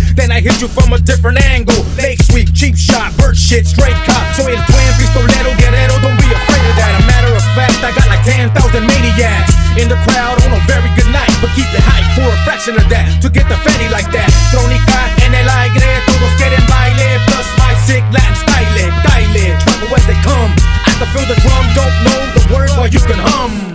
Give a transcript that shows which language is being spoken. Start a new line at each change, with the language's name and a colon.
English: Then I hit you from a different angle. Late sweep, cheap shot, bird shit, straight cop. So el twin pistolero guerrero, don't be afraid of that. A matter of fact, I got like 10,000 maniacs in the crowd on a very good night. But keep it hype for a fraction of that to get the fatty like that.
Spanish: Tronica en el aire, todos quieren baile.
English: Plus my sick Latin style, dale. Trouble as they come, I can feel the drum. Don't know the words, but you can hum.